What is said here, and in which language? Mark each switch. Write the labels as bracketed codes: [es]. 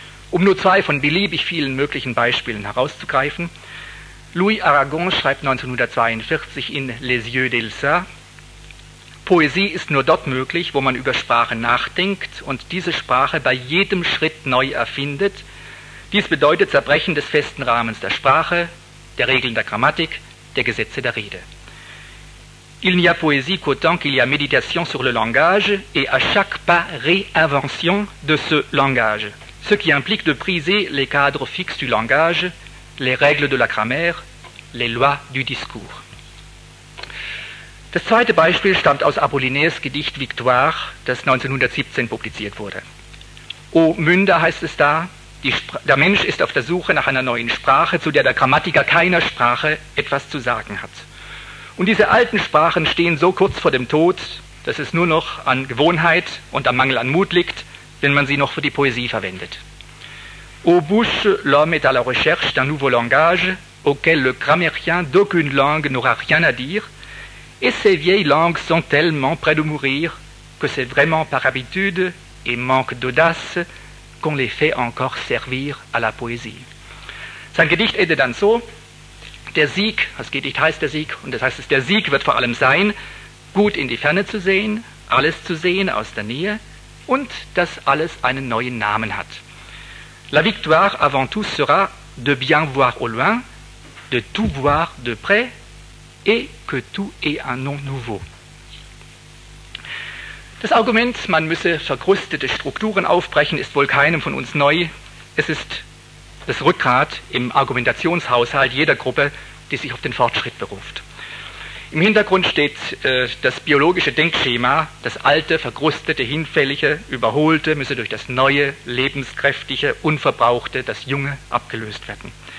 [de] Um nur zwei von beliebig vielen möglichen Beispielen herauszugreifen, Louis Aragon schreibt 1942 in Les Yeux d'Elsa: Poesie ist nur dort möglich, wo man über Sprache nachdenkt und diese Sprache bei jedem Schritt neu erfindet. Dies bedeutet Zerbrechen des festen Rahmens der Sprache, der Regeln der Grammatik, der Gesetze der Rede. [fr] Il n'y a poésie qu'autant qu'il y a méditation sur le langage et à chaque pas réinvention de ce langage, ce qui implique de briser les cadres fixes du langage, les règles de la grammaire, les lois du discours. [de] Das zweite Beispiel stammt aus Apollinaires Gedicht Victoire, das 1917 publiziert wurde. O Münder, heißt es da, der Mensch ist auf der Suche nach einer neuen Sprache, zu der der Grammatiker keiner Sprache etwas zu sagen hat. Und diese alten Sprachen stehen so kurz vor dem Tod, dass es nur noch an Gewohnheit und am Mangel an Mut liegt, wenn man sie noch für die Poesie verwendet. [fr] O Bouche, l'homme est à la recherche d'un nouveau langage, auquel le grammairien d'aucune langue n'aura rien à dire, et ces vieilles langues sont tellement près de mourir que c'est vraiment par habitude et manque d'audace qu'on les fait encore servir à la poésie. [de] Sein Gedicht endet dann so: der Sieg, das Gedicht heißt der Sieg, und das heißt es, der Sieg wird vor allem sein, gut in die Ferne zu sehen, alles zu sehen aus der Nähe und dass alles einen neuen Namen hat. [fr] La victoire avant tout sera de bien voir au loin, de tout voir de près et que tout ait un nom nouveau. [de] Das Argument, man müsse verkrustete Strukturen aufbrechen, ist wohl keinem von uns neu. Es ist das Rückgrat im Argumentationshaushalt jeder Gruppe, die sich auf den Fortschritt beruft. Im Hintergrund steht das biologische Denkschema, das alte, verkrustete, hinfällige, überholte, müsse durch das neue, lebenskräftige, unverbrauchte, das junge, abgelöst werden.